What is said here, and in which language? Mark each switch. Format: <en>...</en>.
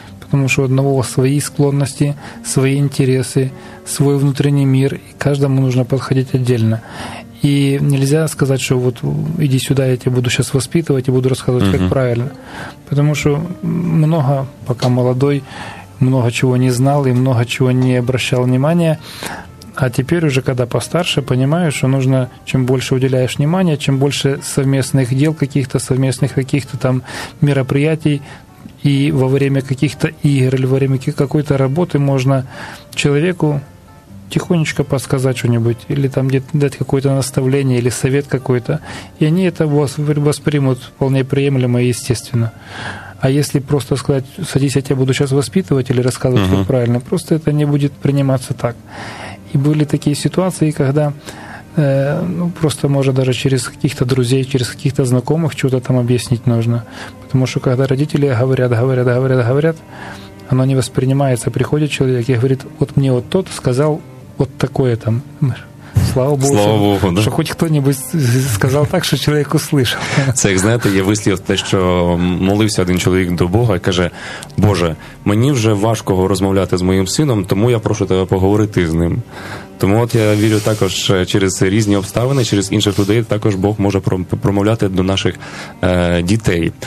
<uk>Тому що одного свої склонності, свої інтереси, свій внутрішній мір, і кожному потрібно підходити віддільно. І не можна сказати, що от іди сюди, я тебе буду зараз виховувати і буду розказувати, як правильно. Тому що много, поки молодий, много чого не знав і много чого</uk> <ru>не обращав внимания.</ru> <uk>А тепер уже, коли постарше, розумію, що потрібно, чим більше уділяєш</uk> <ru>внимания, чим більше совместних дел, каких-то совместних каких-то там мероприятий, и во время каких-то игр или во время какой-то работы можно человеку тихонечко подсказать что-нибудь или там где-то дать какое-то наставление или совет какой-то, и они это воспримут вполне приемлемо и естественно. А если просто сказать: садись, я тебя буду сейчас воспитывать или рассказывать, как правильно, просто это не будет приниматься так. И были такие ситуации, когда ну, просто, може, даже через каких-то друзей, через каких-то знакомых что-то там объяснить нужно. Потому что, когда родители говорят, оно не воспринимается. Приходит человек и говорит: вот мне вот тот сказал вот такое там. Слава Богу, да? Что хоть кто-нибудь сказал так, что человек услышал.</ru> <uk>Це, як знаєте, є вислів те, що молився один чоловік до Бога і каже: Боже, мені вже важко розмовляти з моїм сином, тому я прошу тебе поговорити з ним. Тому от я вірю також через різні обставини, через інших людей, також Бог може промовляти до наших дітей.</uk>